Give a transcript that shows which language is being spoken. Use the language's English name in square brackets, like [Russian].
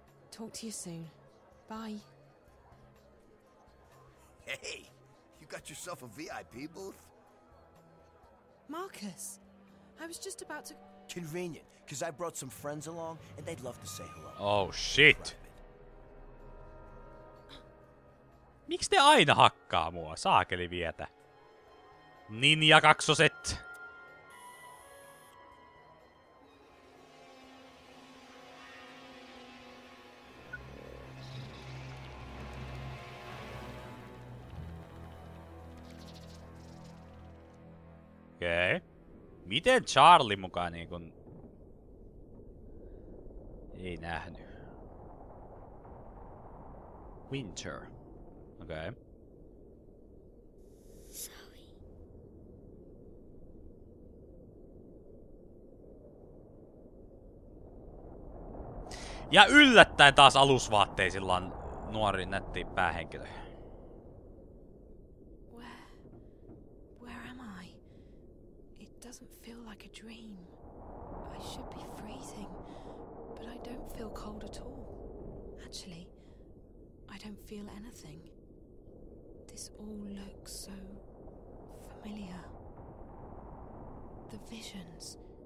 [English] Talk to you soon. Bye. Hey, you You got yourself a VIP booth? Marcus, I was just about to... Convenient, because I brought some friends along, and they'd love to say hello. Oh, shit. [Finnish] Miksi te aina hakkaa mua? Saakeli vietä. Ninja kaksoset. Okei. Miten Charlie mukaan niin kun... Ei nähny. Winter. Okei. Okay. [English] Sorry. [Finnish] Ja yllättäen taas alusvaatteisillaan nuori nätti päähenkilö. [English] Where am I? It doesn't feel like a dream. I should be freezing, but I don't feel cold at all. Actually, I don't feel anything. This all looks so familiar. The visions.